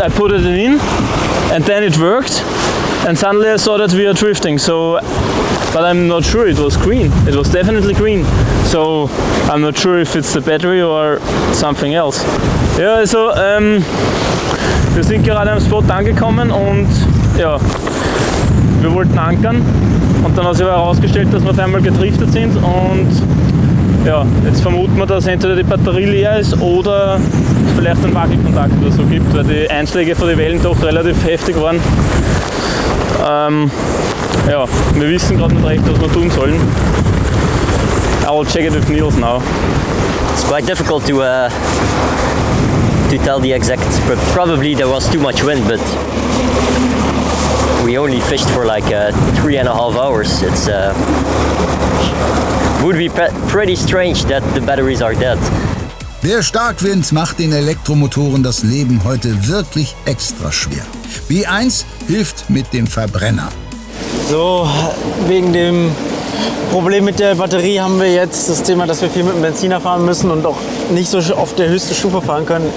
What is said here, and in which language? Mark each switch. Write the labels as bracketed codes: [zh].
[en] I put it in and then it worked. And suddenly I saw that we are drifting. So, but I'm not sure. It was green. It was definitely green. So I'm not sure if it's the battery or something else. [de] Yeah, so wir sind gerade am Spot angekommen und ja, wir wollten ankern und dann hat sich herausgestellt, dass wir auf einmal gedriftet sind und ja, jetzt vermuten wir, dass entweder die Batterie leer ist oder es vielleicht einen Wackelkontakt oder so gibt, weil die Einschläge von den Wellen doch relativ heftig waren. Ja, wir wissen gerade nicht recht, was wir tun sollen. [en] I will check it with Niels now. It's quite difficult to tell the exact, but probably there was too much wind, but we only fished for like 3.5 hours. It's would be pretty strange that the batteries are dead. [de] Der Starkwind macht den Elektromotoren das Leben heute wirklich extra schwer. B1 hilft mit dem Verbrenner. So, wegen dem Problem mit der Batterie haben wir jetzt das Thema, dass wir viel mit dem Benziner fahren müssen und auch nicht so auf der höchsten Stufe fahren können.